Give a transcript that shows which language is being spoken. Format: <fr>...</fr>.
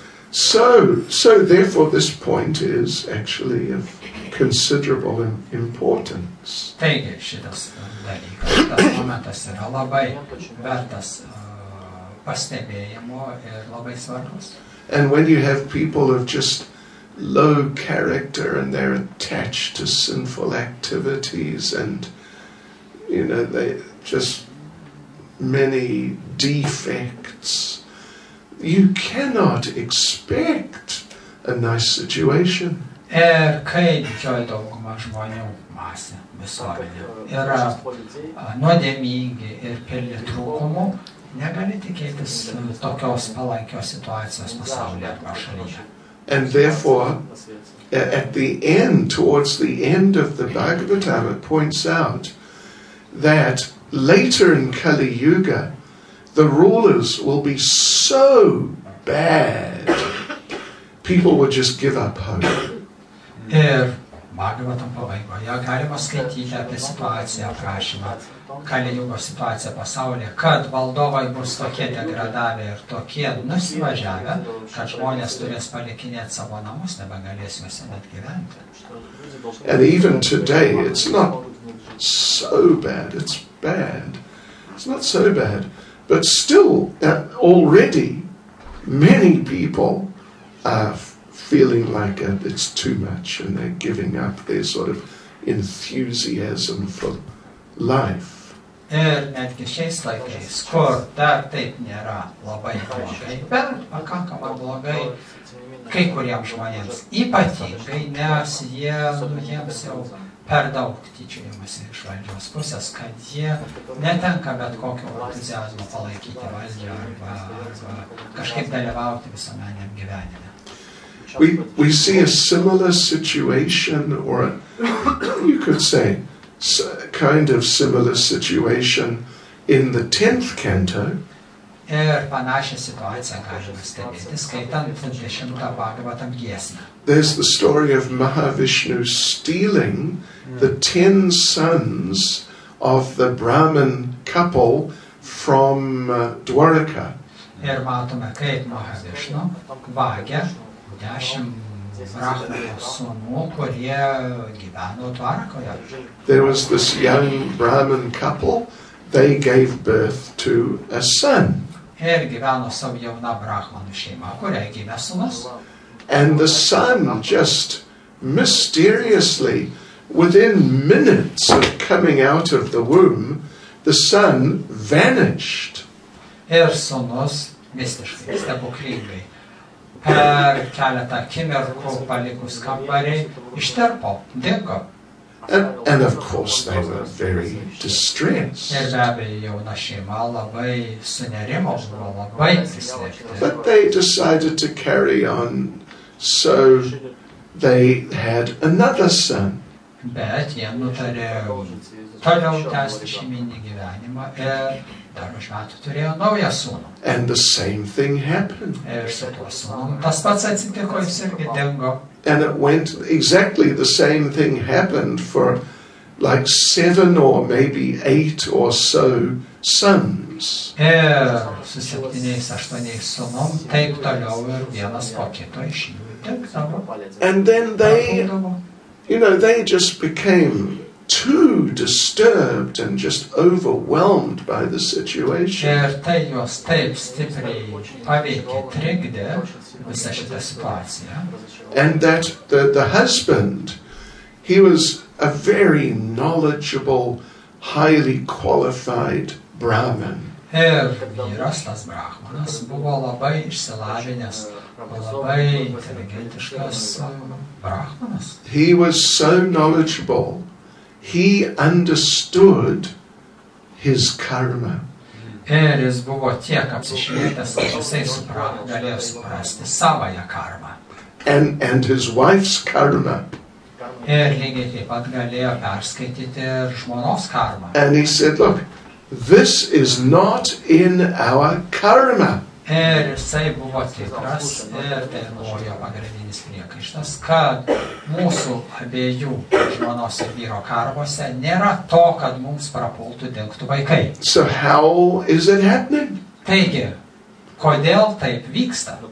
<en>So therefore this point is actually of considerable importance.</en> <lt>Taigi, šitas dalykas, tas momentas yra labai vertas pastebėjimo ir labai svarbus.</lt> <en>And when you have people of just low character and they're attached to sinful activities and, you know, they just many defects, you cannot expect a nice situation.</en> <lt>Ir kai didžioji dauguma žmonių masė visuomenė yra nuodėmingi ir pilni trūkumų, negali tikėtis tokios palankios situacijos pasaulyje arba šalyje.</lt> <en>And therefore, at the end, towards the end of the Bhagavatam, it points out that later in Kali Yuga, the rulers will be so bad, people will just give up hope.</en> <lt>Ir Bhagavatam pabaigoje galima skaityti apie situaciją aprašymą, Kali Jugos situaciją pasaulyje, kad valdovai bus tokie degradavę ir tokie nusivažiavę, kad žmonės turės palikinėti savo namus, nebegalės juose net gyventi.</lt> <en>And even today, it's not so bad, it's bad. It's not so bad. But still, already, many people are feeling like it's too much and they're giving up their sort of enthusiasm for life.</en> <lt>Ir netgi šiais laikais, kur dar taip nėra labai blogai, bet pakankamai blogai kai kuriems žmonėms, ypatingai, nes jie, jiems jau per daug tyčiojimasi iš valdžios pusės, kad jie netenka bet kokio entuziazmo palaikyti valdžią arba kažkaip dalyvauti visuomeniniam gyvenime.</lt> <en>We see a similar situation, or you could say kind of similar situation in the 10th canto.</en> <lt>Ir panašia situacija galima stebėti, skaitant 10. Bhagavatam giesmę.</lt> <en>There's the story of Mahavishnu stealing the 10 sons of the Brahmin couple from Dwaraka.</en> <lt>Ir matome, kaip Mahavishnu vagia 10 Brahmanų sūnų, kurie gyveno Dvarakoje.</lt> <en>There was this young Brahmin couple, they gave birth to a son.</en> <lt>Ir gyveno savo jauna Brahmanų šeima, kurie gimė sūnus.</lt> <en>And the son just mysteriously, within minutes of coming out of the womb, the son vanished.</en> <lt>Ir sūnus mistiškai, stebuklingai. Per keletą akimirkų palikus kambarį ištirpo, dingo.</lt> <en>And of course they were very distressed.</en> <lt>Ir be abejo, jauna šeima labai sunerimo, buvo labai prislėgti.</lt> <en>But they decided to carry on, so they had another son.</en> <lt>Bet jie nutarė toliau tęsti šeiminį gyvenimą ir dar už metų turėjo naują sūnų.</lt> <en>And the same thing happened.</en> <lt>Ir su tuo sūnų tas pats atsitiko, jis irgi dingo.</lt> <en>And it went exactly the same thing happened for like 7 or maybe 8 or so sons.</en> <lt>Ir su 7, 8 sūnum taip toliau ir vienas po kito išnyko.</lt> <en>And then they, you know, they just became too disturbed and just overwhelmed by the situation.</en> <lt>Ir tai juos taip stipriai paveikė, trikdė visą šitą situaciją.</lt> <en>And that the husband, he was a very knowledgeable, highly qualified Brahmin.</en> <lt>Ir vyras, tas Brahmanas, buvo labai išsilavinęs, labai inteligentiškas Brahmanas.</lt> <en>He was so knowledgeable. He understood his karma.</en> <lt>Ir jis buvo tiek apsišvietęs, kad jisai galėjo suprasti savąją karmą.</lt> <en>And his wife's karma.</en> <lt>Ir lygiai taip pat galėjo perskaityti ir žmonos karmą.</lt> <en>And he said, look, this is not in our karma.</en> <lt>Ir jisai buvo tikras, ir tai buvo jo pagrindinis priekaištas, kad mūsų abiejų žmonos ir vyro karmose nėra to, kad mums prapultų dengtų vaikai.</lt> <en>So how is it happening?</en> <lt>Taigi, kodėl taip vyksta?</lt>